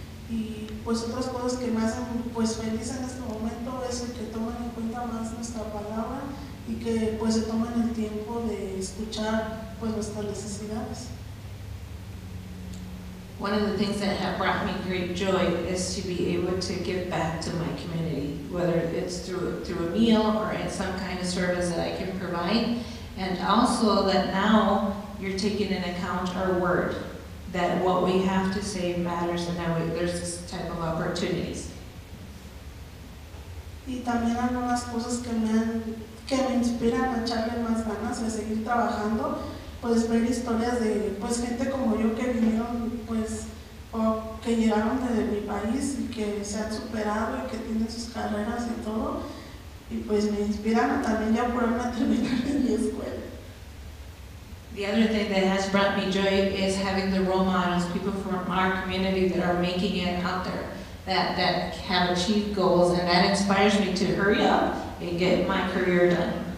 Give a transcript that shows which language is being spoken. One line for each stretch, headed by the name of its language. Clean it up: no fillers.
Spanish: Y pues otras cosas que me hacen pues feliz en este momento es el que toman en cuenta más nuestra palabra y que pues se toman el tiempo de escuchar pues nuestras necesidades.
English: One of the things that have brought me great joy is to be able to give back to my community, whether it's through a meal or in some kind of service that I can provide, and also that now you're taking into account our word, that what we have to say matters, and that there's this type of opportunities.
Spanish: Y también algunas cosas que me inspiran a echarle más ganas de seguir trabajando, pues ver historias de pues gente como yo que vinieron pues o que llegaron desde mi país y que se han superado y que tienen sus carreras y todo, y pues me inspiran también ya por una terminar de mi escuela.
English: The other thing that has brought me joy is having the role models, people from our community that are making it out there, that have achieved goals, and that inspires me to hurry up and get my career done.